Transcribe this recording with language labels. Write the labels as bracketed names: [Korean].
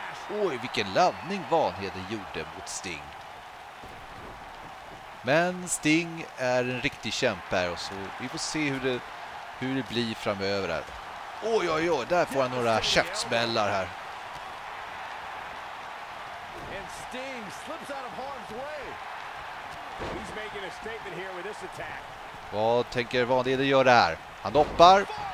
[Swedish] Oj, vilken laddning Vanheden gjorde mot Sting. Men Sting är en riktig kämpe och så vi får se hur det blir framöver. Oj, oj, oj, där får han några käftsmällar här. [English] And Sting slips out of harm's way. He's making a statement here with this attack. [Swedish] Vad tänker Vanheden gör där? Han hoppar.